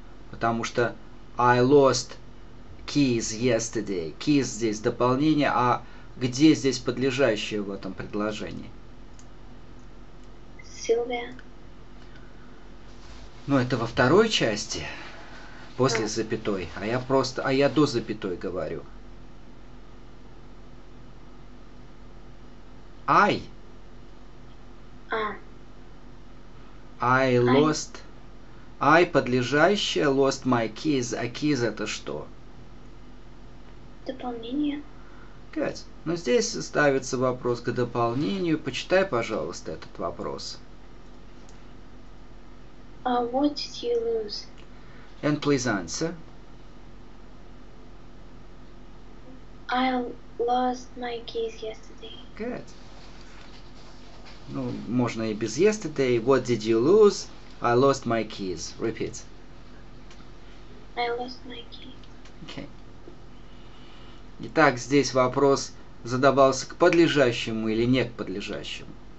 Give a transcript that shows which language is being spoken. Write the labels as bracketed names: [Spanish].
[Russian] Потому что [English] I lost keys yesterday. [Russian] Keys здесь дополнение, а где здесь подлежащее в этом предложении? Сильвия. Ну, это во второй части. После запятой. А я до запятой говорю. [English] I. I lost. I подлежащее. Lost my keys. [Russian] А keys это что? Дополнение. [English] Good. [Russian] Ну, здесь ставится вопрос к дополнению. Почитай, пожалуйста, этот вопрос. [English] What did you lose? And please answer. I lost my keys yesterday. Good. [Russian] Ну, можно и без yesterday. [English] What did you lose? I lost my keys. Repeat. I lost my keys. Okay. [Russian] Итак, здесь вопрос задавался к подлежащему или не к подлежащему?